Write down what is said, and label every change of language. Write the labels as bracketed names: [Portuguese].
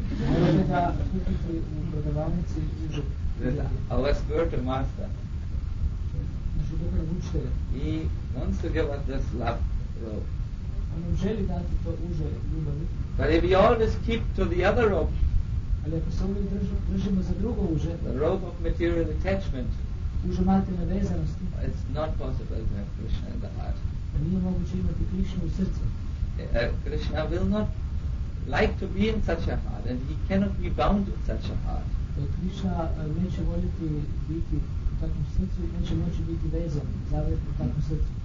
[Croatian] Morate ga kupiti u prodavnici uže. [English] Our spiritual master. [Croatian] Naši duhovni učitelj. [English] He wants to give us this love robe. [Croatian] On nam želi dati to uže ljubavi. [English] But if we always keep to the other rope, [Croatian] ali ako se uvijek držimo za drugo uže, [English] the rope of material attachment, [Croatian] uže materijalne vezanosti, [English] it's not possible to have Krishna in the heart. [Croatian] Nije moguće imati Krishna u srcu. [English] Krishna will not like to be in such a heart and he cannot be bound in such a heart. [Croatian] Krishna neće voljeti biti u takvom srcu i neće moći biti vezan, zavet u takvom srcu.